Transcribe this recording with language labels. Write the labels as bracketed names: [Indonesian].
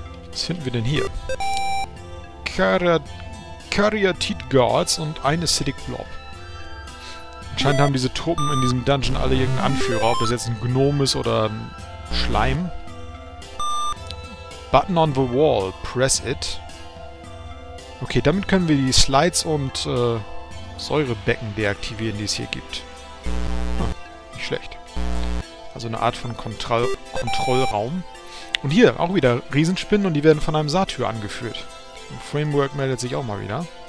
[German] Was finden wir denn hier? Karyatid Guards und ein Acidic Blob. Anscheinend haben diese Truppen in diesem Dungeon alle irgendeinen Anführer, ob das jetzt ein Gnom ist oder ein Schleim. [English] Button on the wall, press it. [German] Okay, damit können wir die Slides und Säurebecken deaktivieren, die es hier gibt. Hm, nicht schlecht. Also eine Art von Kontrollraum. Und hier auch wieder Riesenspinnen und die werden von einem Satyr angeführt. Ein Framework meldet sich auch mal wieder.